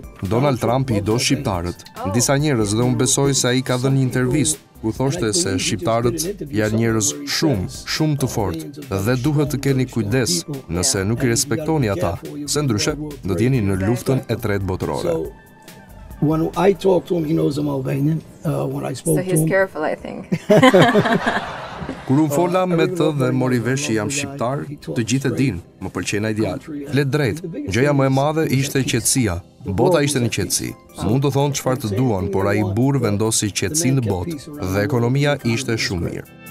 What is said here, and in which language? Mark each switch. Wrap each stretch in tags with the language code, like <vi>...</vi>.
<sq>Donald Trump i do shqiptarët, disa njerëz dhe unë besoj se ai ka dhënë një intervistë ku thoshte se shqiptarët janë njerëz shumë, shumë të fortë dhe duhet të keni kujdes nëse nuk i respektoni ata, se ndryshe do t'jeni në luftën e tretë botërore.</sq> <en>When I talked to him, he knows I'm Albanian. When I spoke to him, so he's careful, I think.</en> <sq>Kur unë fola me të dhe mori vesh që jam shqiptar, të gjithë e dinë, më pëlqen ai djalë. Flet drejt, gjëja më e madhe ishte qetësia. Bota ishte në qetësi. Mund të thonë çfarë të duan, por ai burr vendosi qetësinë në botë dhe ekonomia ishte shumë mirë.</sq>